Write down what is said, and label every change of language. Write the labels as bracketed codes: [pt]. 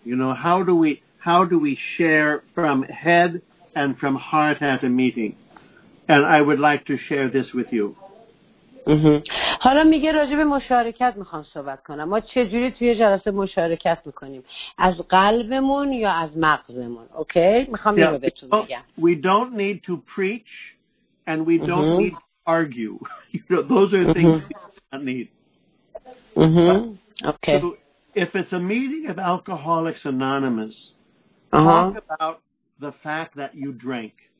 [en] You know, how do we share from head and from heart at a meeting? And I would like to share this with you. [fa] حالا میگه راجب مشارکت میخوام صحبت کنم. ما چجوری توی جلسه مشارکت میکنیم؟ از قلبمون یا از مغزمون؟ اوکی؟ میخوام اینو بهتون بگم. [en] We don't need to preach and we don't need to argue. You know, those are things we don't need. Okay. So if it's a meeting of Alcoholics Anonymous, talk about the fact that you drank.